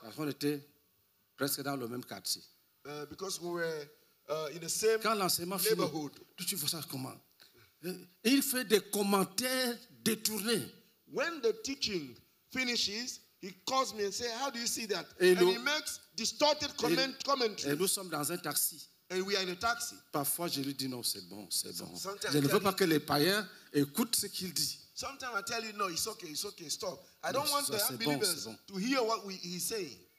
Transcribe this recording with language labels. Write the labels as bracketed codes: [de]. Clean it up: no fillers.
[fr] Parce qu'on était presque dans le même quartier. [en] Because we were in the same. [fr] Quand l'enseignement finit, tout tu vois ça comment? Il fait des commentaires détournés. [en] When the teaching finishes, he calls me and says, "How do you see that?" And he makes distorted commentary. [fr] Et nous sommes dans un taxi. [en] And we are in a taxi. [fr] Parfois, je lui dis non, c'est bon, c'est bon. Sometimes je ne veux pas que les païens écoutent ce qu'il dit. [en] Sometimes I tell you, no, it's okay, stop. I don't want the unbelievers to hear what he's saying.